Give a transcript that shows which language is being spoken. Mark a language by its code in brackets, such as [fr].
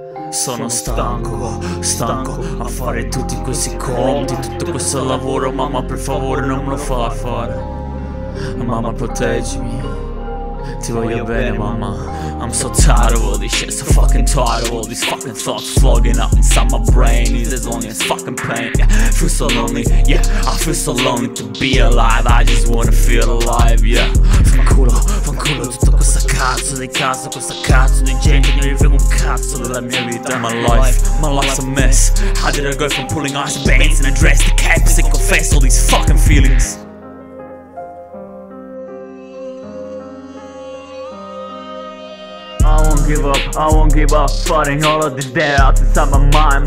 [it] Sono stanco, stanco a fare tutti questi conti, tutto questo lavoro. Mamma, per favore, non me lo fa fare. Mamma, proteggimi. Ti voglio bene, mamma. [en] I'm so tired of all this shit, so fucking tired of all these fucking thoughts flogging up inside my brain. It's as lonely as fucking pain. Yeah, I feel so lonely. Yeah, I feel so lonely to be alive. I just wanna feel alive. Yeah, [it] fanculo, fanculo. Tutto questa cazzo di casa, questa cazzo di gente. Non gli frega un cazzo della mia vita. [en] My life's a mess. How did I go from pulling ice bands in a dress to caps and confess all these fucking feelings? I won't give up fighting all of the doubts inside my mind.